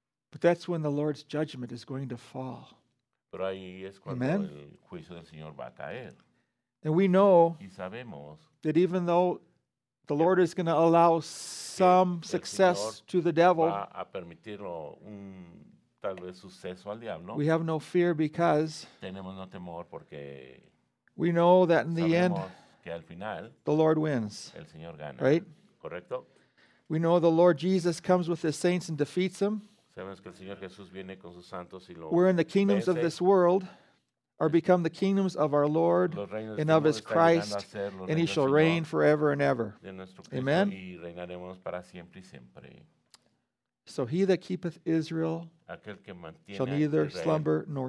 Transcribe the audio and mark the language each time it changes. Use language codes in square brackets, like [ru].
[en] but that's when the Lord's judgment is going to fall. [es] Pero ahí es cuando amen. El juicio del Señor va a caer. [en] And we know [es] y sabemos [en] that even though the Lord is going to allow some success to the devil, [es] va a permitirlo un, tal vez, suceso al diablo, [en] we have no fear because [es] tenemos no temor porque [en] we know that in the end, [es] al final, [en] the Lord wins. [es] El Señor gana, [en] right? [es] Correcto. [en] We know the Lord Jesus comes with his saints and defeats them. [es] Sabemos que el Señor Jesús viene con sus santos y lo [en] we're in the kingdoms [es] vence. [en] Of this world are become the kingdoms of our Lord [es] los reinos [en] and of his Christ, and he shall [es] Señor [en] reign forever and ever. [es] De nuestro Cristo, amen. Y reinaremos para siempre y siempre. [en] So he that keepeth Israel [es] aquel que mantiene [en] shall neither [es] Israel [en] slumber nor